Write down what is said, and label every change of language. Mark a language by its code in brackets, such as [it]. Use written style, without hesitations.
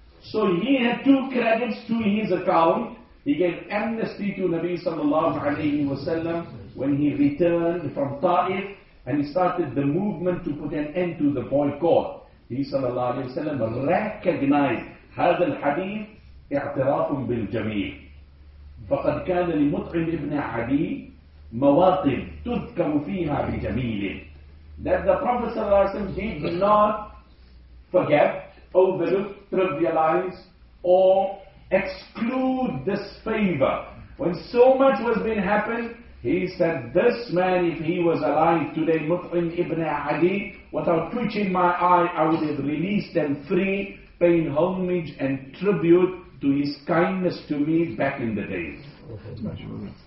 [en] So he had two credits to his account. He gave amnesty to Nabi sallallahu alayhi wa sallam when he returned from Ta'if and he started the movement to put an end to the boycott. He sallallahu alayhi wa sallam recognized [ar] هذا الحديث اعتراف بالجميع. فقد كان لمطعم ابن عدي مواطن تذكر فيها بجميله. [en] That the Prophet sallallahu alayhi wa sallam did not forget, overlook, trivialize or exclude this favor. When so much was been happened, he said, this man, if he was alive today, Mut'im ibn Adi, without twitching my eye, I would have released them free, paying homage and tribute to his kindness to me back in the days.